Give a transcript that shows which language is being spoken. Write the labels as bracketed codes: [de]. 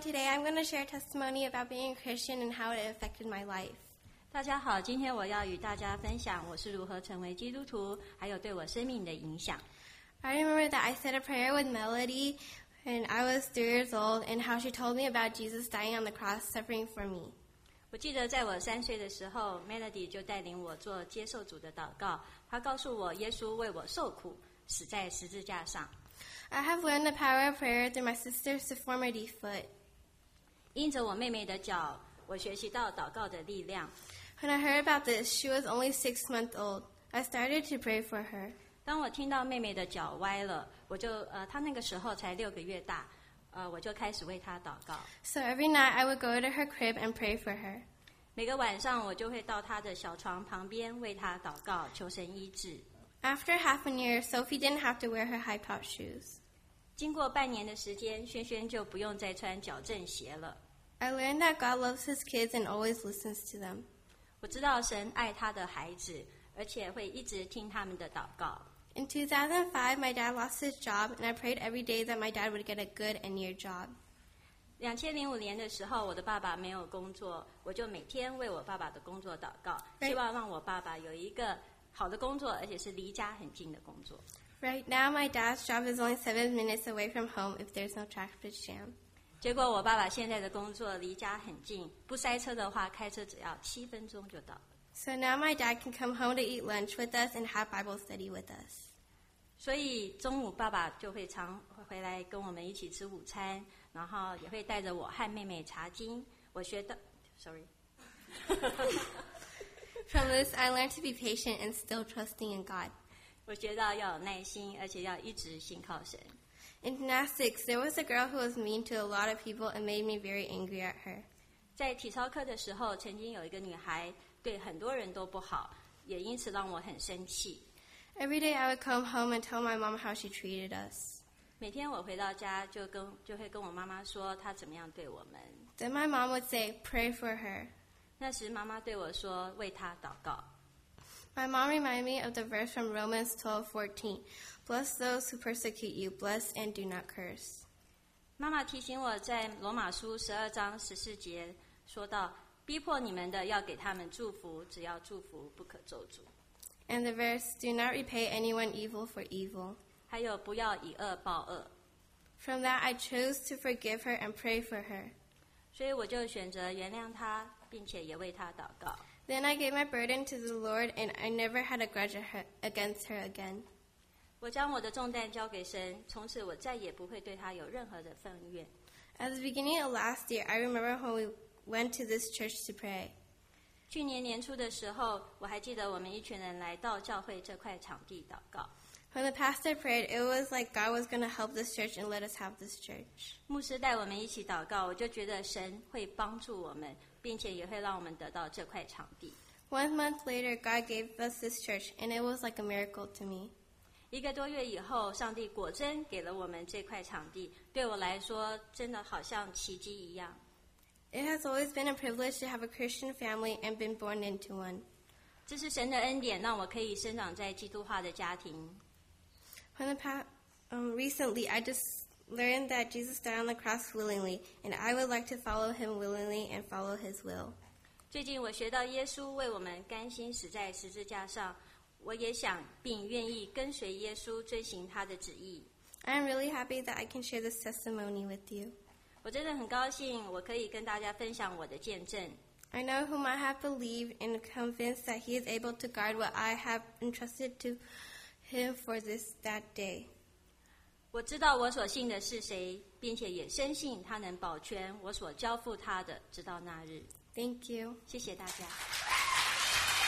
[en] Today I'm going to share a testimony about being a Christian and how it affected my life. [zh] 大家好，今天我要与大家分享我是如何成为基督徒，还有对我生命的影响。 [en] I remember that I said a prayer with Melody when I was 3 years old and how she told me about Jesus dying on the cross, suffering for me. [zh] 我记得在我3岁的时候 ,Melody 就带领我做接受主的祷告，她告诉我耶稣为我受苦，死在十字架上。 [en] I have learned the power of prayer through my sister's deformity foot. [zh] 因着我妹妹的脚，我学习到祷告的力量。 [en] When I heard about this, she was only 6 months old. I started to pray for her. [zh] 当我听到妹妹的脚歪了，我就她那个时候才6个月大，我就开始为她祷告。 [en] So every night I would go to her crib and pray for her. [zh] 每个晚上我就会到她的小床旁边为她祷告，求神医治。 [en] After half a year, Sophie didn't have to wear her high-top shoes. [zh] 经过半年的时间，萱萱就不用再穿矫正鞋了。 [en] I learned that God loves his kids and always listens to them. [zh] 我知道神爱他的孩子，而且会一直听他们的祷告。 [en] In 2005, my dad lost his job, and I prayed every day that my dad would get a good and near job. [zh] 2005年的时候，我的爸爸没有工作，我就每天为我爸爸的工作祷告，希望让我爸爸有一个好的工作，而且是离家很近的工作。 [en] Right now, my dad's job is only 7 minutes away from home if there's no traffic jam. [zh] 结果我爸爸现在的工作离家很近，不塞车的话，开车只要7分钟就到。 [en] So now my dad can come home to eat lunch with us and have Bible study with us. [zh] 所以中午爸爸就会常回来跟我们一起吃午餐，然后也会带着我和妹妹查经。我学到 ，sorry 。 [en] From this, I learned to be patient and still trusting in God. [zh] 我学到要有耐心，而且要一直信靠神。 [en] In gymnastics, there was a girl who was mean to a lot of people and made me very angry at her. [zh] 在体操课的时候，曾经有一个女孩对很多人都不好，也因此让我很生气。 [en] Every day, I would come home and tell my mom how she treated us. [zh] 每天我回到家就会跟我妈妈说她怎么样对我们。 [en] Then my mom would say, "Pray for her." [zh] 那时妈妈对我说，为她祷告。 [en] My mom reminded me of the verse from Romans 12:14. Bless those who persecute you, bless and do not curse. [zh] 妈妈提醒我在罗马书12:14说到，逼迫你们的要给他们祝福，只要祝福不可咒诅。 [en] And the verse, do not repay anyone evil for evil. [zh] 还有不要以恶报恶。 [en] From that, I chose to forgive her and pray for her. [zh] 所以我就选择原谅她，并且也为她祷告。 [en] Then I gave my burden to the Lord, and I never had a grudge against her again. [zh] 我将我的重担交给神，从此我再也不会对她有任何的愤怨。 [en] At the beginning of last year, I remember when we went to this church to pray. [zh] 去年年初的时候，我还记得我们一群人来到教会这块场地祷告。 [en] When the pastor prayed, it was like God was going to help this church and let us have this church. [zh] 牧师带我们一起祷告，我就觉得神会帮助我们，并且也会让我们得到这块场地。 [en] 1 month later, God gave us this church, and it was like a miracle to me. [zh] 一个多月以后，上帝果真给了我们这块场地，对我来说真的好像奇迹一样。 [en] It has always been a privilege to have a Christian family and been born into one. [zh] 这是神的恩典，让我可以生长在基督化的家庭。 [en] Recently, I just learned that Jesus died on the cross willingly, and I would like to follow him willingly and follow his will. [zh] 最近我学到耶稣为我们甘心死在十字架上，我也想并愿意跟随耶稣遵行他的旨意。 [en] I am really happy that I can share this testimony with you. [zh] 我真的很高兴我可以跟大家分享我的见证。 [en] I know whom I have believed and convinced that he is able to guard what I have entrusted to him for this that day. [zh] 我知道我所信的是谁，并且也深信他能保全我所交付他的，直到那日。 [en] Thank you. [zh] 谢谢大家。